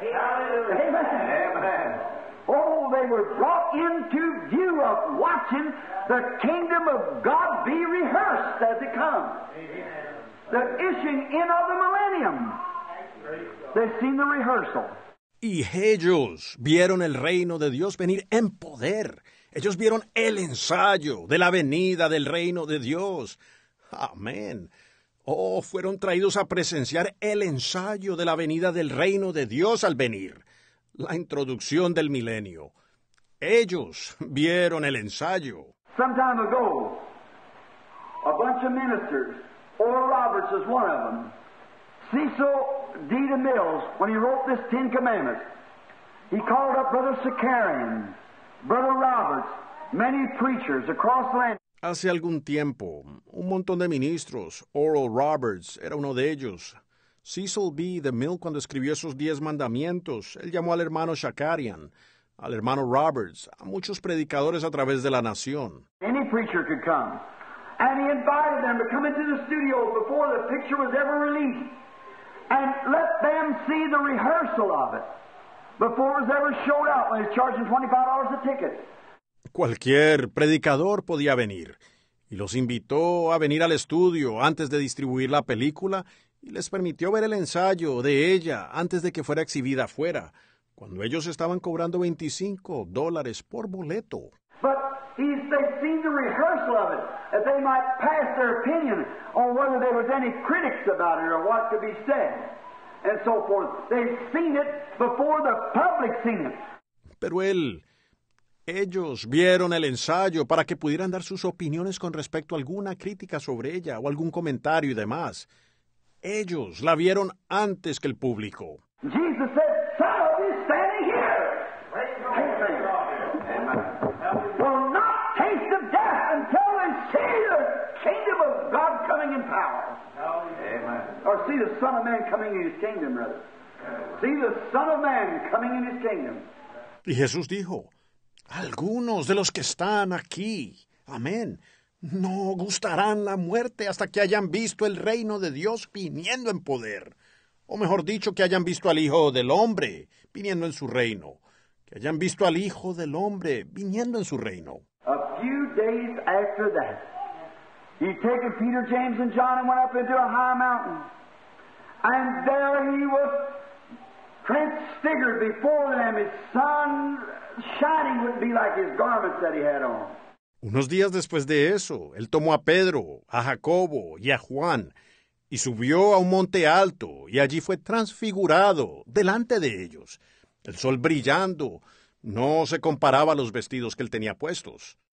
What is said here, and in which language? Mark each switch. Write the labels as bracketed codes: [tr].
[en] Hallelujah. Amen. Oh, they were brought into view of watching the kingdom of God be rehearsed as it comes. Amen. The issuing in of the millennium. They've seen the rehearsal. [es] Y ellos vieron el reino de Dios venir en poder. Ellos vieron el ensayo de la venida del reino de Dios. Amén. Oh, fueron traídos a presenciar el ensayo de la venida del reino de Dios al venir. La introducción del milenio. Ellos vieron el ensayo. [en] Some time ago, a bunch of ministers, Oral Roberts is one of them, Cecil D. DeMille, when he wrote this Ten Commandments, he called up Brother Sakarian, Brother Roberts, many preachers across the land. [es] Hace algún tiempo, un montón de ministros, Oral Roberts era uno de ellos. Cecil B. DeMille, cuando escribió esos 10 mandamientos, él llamó al hermano Sakarian, al hermano Roberts, a muchos predicadores a través de la nación. [en] Any preacher could come. And he invited them to come into the studio before the picture was ever released. And let them see the rehearsal of it. Before it was ever showed up, and he's charging $25 a ticket. [es] Cualquier predicador podía venir, y los invitó a venir al estudio antes de distribuir la película, y les permitió ver el ensayo de ella antes de que fuera exhibida afuera, cuando ellos estaban cobrando $25 por boleto. [en] But they've seen the rehearsal of it, that they might pass their opinion on whether there was any critics about it or what could be said. And so forth. They've seen it before the public seen it. [es] Pero él, ellos vieron el ensayo para que pudieran dar sus opiniones con respecto a alguna crítica sobre ella o algún comentario y demás. Ellos la vieron antes que el público. [en] Jesus said, some of you standing here. Amen. Will not taste of death until they see the kingdom of God coming in power. Amen. Or see the Son of Man coming in his kingdom, brother. See the Son of Man coming in his kingdom. [es] Y Jesús dijo, algunos de los que están aquí, amén, no gustarán la muerte hasta que hayan visto el reino de Dios viniendo en poder. O mejor dicho, que hayan visto al Hijo del Hombre viniendo en su reino. Que hayan visto al Hijo del Hombre viniendo en su reino. [en] A few days after that, he'd taken Peter, James, and John and went up into a high mountain. And there he was transfigured before them, his sun shining would be like his garments that he had on. [es] Unos días después de eso, él tomó a Pedro, a Jacobo y a Juan y subió a un monte alto y allí fue transfigurado delante de ellos. El sol brillando no se comparaba a los vestidos que él tenía puestos.